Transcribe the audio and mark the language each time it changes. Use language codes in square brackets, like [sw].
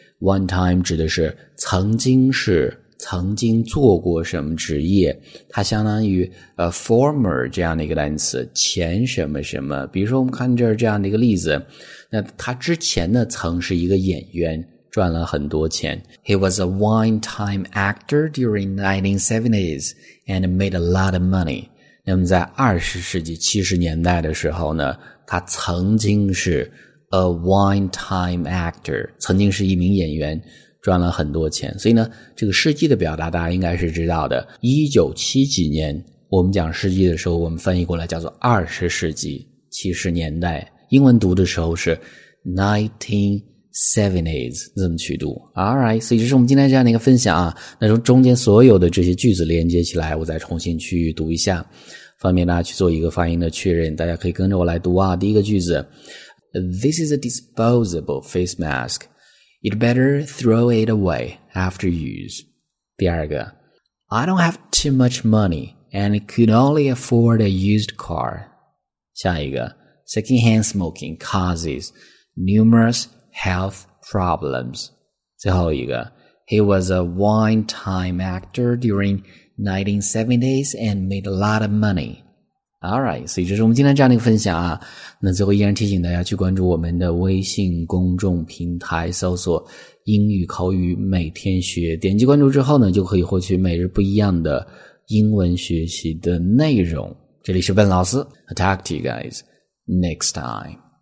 [en] One time [zh] 指的是曾经是曾经做过什么职业，它相当于former 这样的一个单词，前什么什么。比如说我们看这儿这样的一个例子，那他之前呢曾是一个演员，赚了很多钱。 [en] He was a one-time actor during 1970s and made a lot of money. [zh] 那么在20世纪70年代的时候呢，他曾经是 [en] A one-time actor， [zh] 曾经是一名演员，赚了很多钱。所以呢，这个世纪的表达大家应该是知道的。197几年，我们讲世纪的时候，我们翻译过来叫做20世纪70年代。英文读的时候是 nineteen Savinades 这么去读。 [en] Alright, [zh] 所以这是我们今天这样的一个分享啊。那从中间所有的这些句子连接起来，我再重新去读一下，方便大家去做一个发音的确认。大家可以跟着我来读啊。第一个句子 [en] ,This is a disposable face mask. You'd better throw it away after use. [zh] 第二个 [en] ,I don't have too much money and could only afford a used car. [zh] 下一个 [en] ,secondhand smoking causes numerous health problems. [zh] 最后一个 [en] ,He was a one-time actor during 1970s and made a lot of money. Alright, [zh] 所以这是我们今天这样的一个分享啊。那最后依然提醒大家去关注我们的微信公众平台，搜索英语口语每天学，点击关注之后呢，就可以获取每日不一样的英文学习的内容。这里是笨老师 , [en] I'll talk to you guys next time.